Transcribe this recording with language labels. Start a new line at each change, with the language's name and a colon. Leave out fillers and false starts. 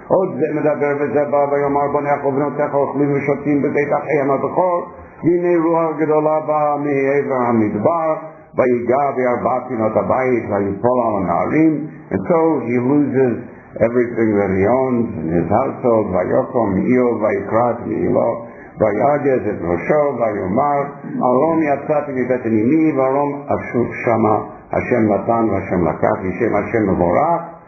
Hebrew: עוד זה מדבר וזה בא ויאמר בניך ובנותיך אוכלים ושותים בבית אחיהם הבכור והנה רוח גדולה באה מעבר המדבר ויגע בארבע פינות הבית ויפול על הנערים.
English: And so he loses everything that he owns in his household.
Hebrew: ויקום איוב ויקרא את מעילו ויגז את ראשו ויאמר ארום יצאתי מבית אמי וארום אשוב שמה השם נתן והשם לקח ישם השם מבורך.